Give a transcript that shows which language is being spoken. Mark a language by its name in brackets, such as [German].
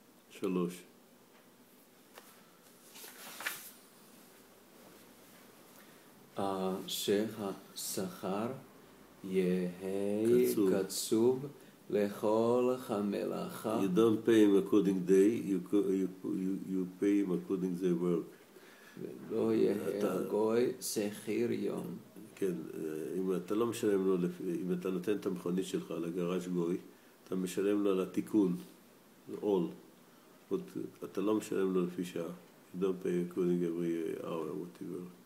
[Hebrew] שלוש. שהשכר יהיה קצוב לכל המלאכה. [English] You don't pay him according day, you pay him according the work. [Hebrew] ולא יהיה גוי שכיר יום. כן, אם אתה לא משלם לו, אם אתה נותן את המכונית שלך לגרש גוי, אתה משלם לו לתיקון, all. אתה לא משלם לו לפי שעה. [English] You don't pay according every hour, whatever.